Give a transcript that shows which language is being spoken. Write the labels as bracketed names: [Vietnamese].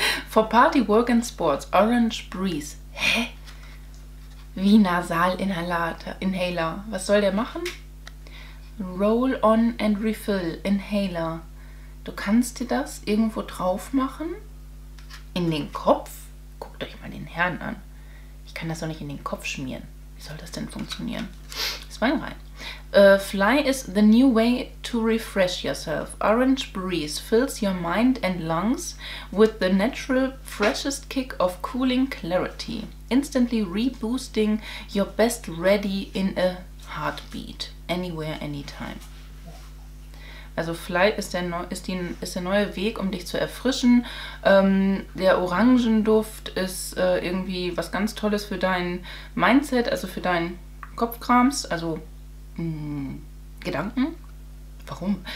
[English] For Party, Work and Sports. Orange Breeze. [German] Hä? Wie Nasal-Inhalator. Inhaler. Was soll der machen? [English] Roll on and refill. Inhaler. [German] Du kannst dir das irgendwo drauf machen? In den Kopf? Guckt euch mal den Herrn an. Ich kann das doch nicht in den Kopf schmieren. Wie soll das denn funktionieren? Das war ein Rein. [English] Fly is the new way to refresh yourself. Orange Breeze fills your mind and lungs with the natural freshest kick of cooling clarity. Instantly reboosting your best ready in a heartbeat. Anywhere, anytime. [German] Also Fly ist der neue Weg, um dich zu erfrischen. Der Orangenduft ist irgendwie was ganz Tolles für dein Mindset, also für deinen Kopfkrams, also Gedanken. Warum?